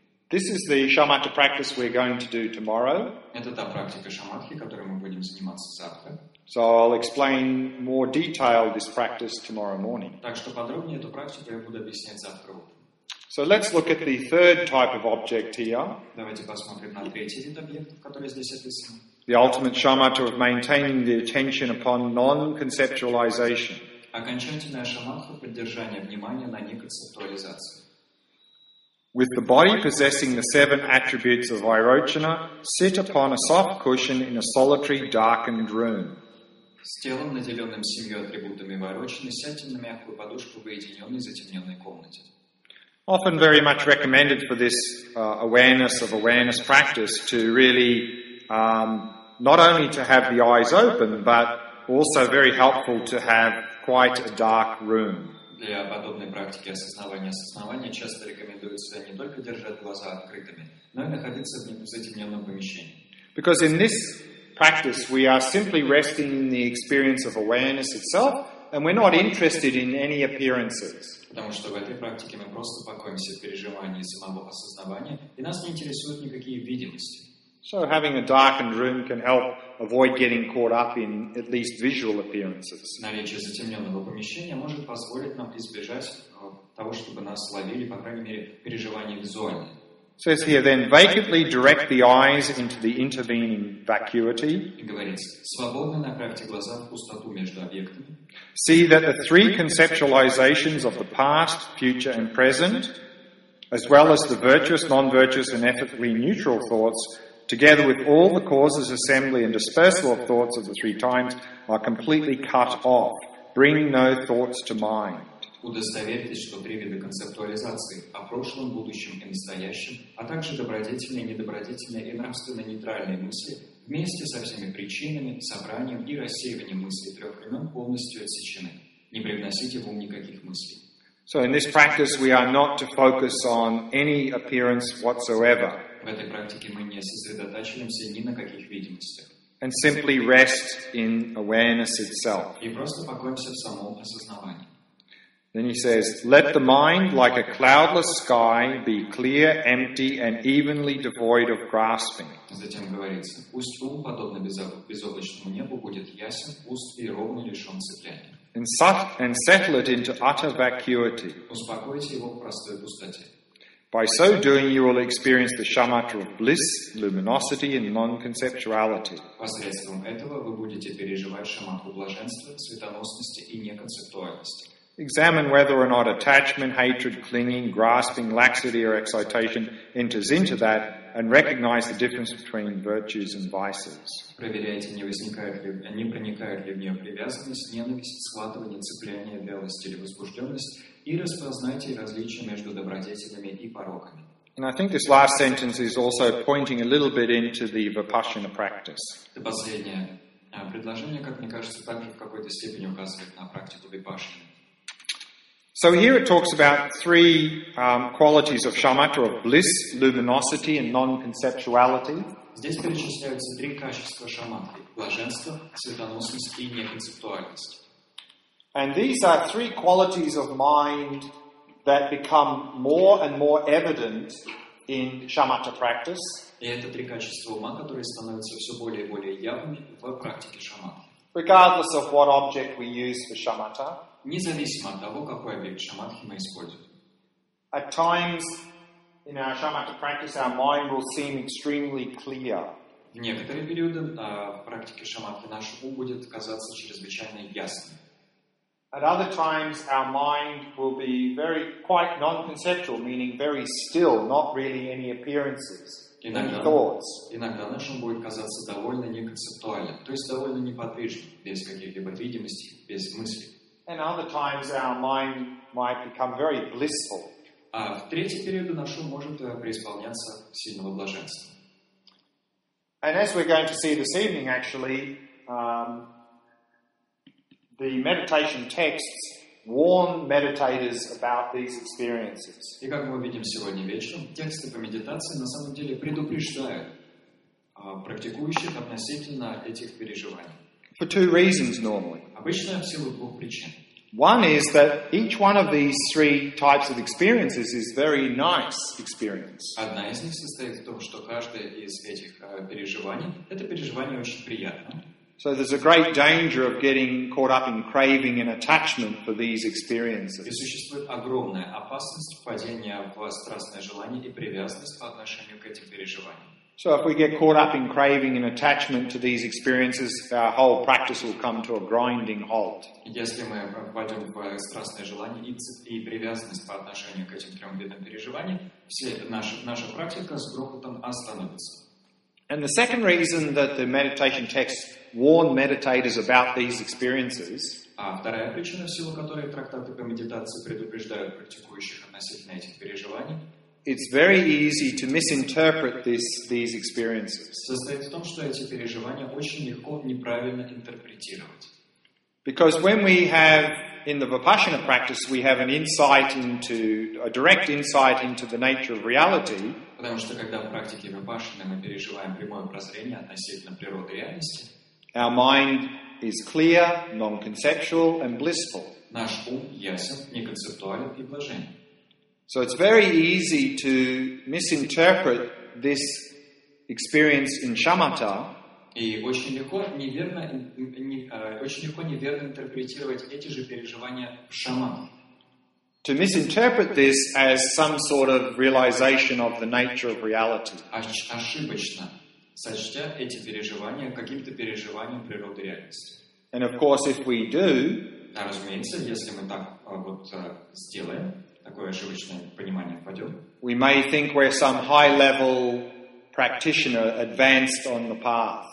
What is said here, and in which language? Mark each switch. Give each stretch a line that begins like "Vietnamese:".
English: This is the shamatha practice we're going to do tomorrow.
Russian: Это та практика шамадхи, которой мы будем заниматься завтра.
English: So I'll explain more detail this practice tomorrow morning.
Russian: Так что подробнее эту практику я буду объяснять завтра утром.
English: So let's look at the third type of object here.
Russian: Давайте посмотрим на третий вид объектов, который здесь описан.
English: The ultimate shamatha of maintaining the attention upon non-conceptualization.
Russian: Окончательная шамадха — поддержание внимания на неконцептуализации.
English: With the body possessing the seven attributes of Vairochana, sit upon a soft cushion in a solitary darkened room.
Russian: С телом, наделенным семью атрибутами Вайрочаны, сядьте на мягкую подушку в уединенной затемненной комнате.
English: Often very much recommended for this awareness of awareness practice to really not only to have the eyes open, but also very helpful to have quite a dark room.
Russian: Для подобной практики осознавания часто рекомендуется не только держать глаза открытыми, но и находиться в затемненном помещении.
English: Because in this practice we are simply resting in the experience of awareness itself, and we're not interested in any appearances.
Russian: Потому что в этой практике мы просто покоимся в переживании самого осознавания, и нас не интересуют никакие видимости.
English: So having a darkened room can help avoid getting caught up in at least visual appearances.
Russian: Наличие затемненного помещения может позволить нам избежать того, чтобы нас ловили, по крайней мере, переживания визуальные.
English: Says here, then vacantly direct the eyes into the intervening vacuity.
Russian: Говорится, свободно направьте глаза в пустоту между объектами.
English: See that the three conceptualizations of the past, future, and present, as well as the virtuous, non-virtuous, and ethically neutral thoughts, together with all the causes, assembly, and dispersal of thoughts of the three times, are completely cut off, bringing no thoughts to mind.
Russian: Удостоверьтесь, что три вида концептуализации о прошлом, будущем и настоящем, а также добродетельные, недобродетельные и нравственно нейтральные мысли вместе со всеми причинами, собранием и рассеиванием мыслей трех времен полностью отсечены. Не привносите в ум никаких мыслей.
English: So in this practice we are not to focus on any appearance whatsoever.
Russian: В этой практике мы не сосредотачиваемся ни на каких видимостях.
English: And simply rest in awareness itself.
Russian: И просто покоимся в самом осознавании.
English: Then he says, let the mind, like a cloudless sky, be clear, empty, and evenly devoid of grasping.
Russian: Затем говорится, пусть ум, подобно безоблачному небу, будет ясен, пуст и ровно лишен цепляния.
English: And settle it into utter vacuity.
Russian: Успокойте его в простой пустоте.
English: By so doing, you will experience the shamatha of bliss, luminosity, and non-conceptuality.
Russian: Посредством этого вы будете переживать шамату блаженства, светоносности и неконцептуальности.
English: Examine whether or not attachment, hatred, clinging, grasping, laxity, or excitation enters into that, and recognize the difference between virtues and vices.
Russian: Проверяйте, не проникает ли в нее привязанность, ненависть, схватывание, цепляние, вялость или возбужденность, и распознайте различия между добродетелями и пороками.
English: And I think this last sentence is also pointing a little bit into the Vipassana practice.
Russian: Последнее предложение, как мне кажется, также в какой-то степени указывает на практику Vipassana.
English: So here it talks about three qualities of shamatha, of bliss, luminosity, and non-conceptuality.
Russian: Здесь перечисляются три качества шаматхи: блаженство, светоносность и неконцептуальность.
English: And these are three qualities of mind that become more and more evident in shamatha practice.
Russian: И это три качества ума, которые становятся все более и более явными в практике шаматхи.
English: Regardless of what object we use for shamatha.
Russian: Независимо от того, какой объект шамадхи мы используем.
English: At times in our shamatha practice our mind will seem extremely clear.
Russian: В некоторые периоды в практике шамадхи наш ум будет казаться чрезвычайно ясным.
English: At other times our mind will be very quite non-conceptual, meaning very still, not really any appearances, any thoughts.
Russian: Иногда наш ум будет казаться довольно неконцептуальным, то есть довольно неподвижным, без каких-либо видимостей, без мыслей.
English: And other times our mind might become very blissful.
Russian: А в третий период наш ум может преисполняться сильного блаженства.
English: And as we're going to see this evening, actually, the meditation texts warn meditators about these experiences.
Russian: И как мы видим сегодня вечером, тексты по медитации на самом деле предупреждают практикующих относительно этих переживаний.
English: For two reasons normally.
Russian: Обычно в силу двух причин.
English: One is that each one of these three types of experiences is very nice experience.
Russian: Одна из них состоит в том, что каждое из этих переживаний это переживание очень приятное.
English: So there's a great danger of getting caught up in craving and attachment for these experiences.
Russian: И существует огромная опасность впадения в страстное желание и привязанность по отношению к этим переживаниям.
English: So if we get caught up in craving and attachment to these experiences, our whole practice will come to a grinding halt.
Russian: Если мы впадем в страстное желание и привязанность по отношению к этим трем видам переживаний, наша практика с грохотом остановится.
English: And the second reason that the meditation texts warn meditators about these experiences.
Russian: А вторая причина, в силу которой трактаты по медитации предупреждают практикующих относительно этих переживаний.
English: It's very easy to misinterpret these experiences.
Russian: Состоит в том, что эти переживания очень легко неправильно интерпретировать.
English: Because when we have in the Vipassana practice, we have an insight into a direct insight into the nature of reality.
Russian: Потому что когда в практике Vipassana мы переживаем прямое прозрение относительно природы реальности.
English: Our mind is clear, non-conceptual, and blissful.
Russian: Наш ум ясен, неконцептуален и блажен.
English: So it's very easy to misinterpret this experience in shamatha.
Russian: И очень легко неверно интерпретировать эти же переживания в шаман.
English: To misinterpret this as some sort of realization of the nature of reality.
Russian: Ошибочно сочтя эти переживания каким-то переживанием природы реальности.
English: And of course, if we do,
Russian: разумеется, если мы так вот сделаем. Такое ошибочное понимание впадет.
English: We may think we're some high-level practitioner advanced on the path.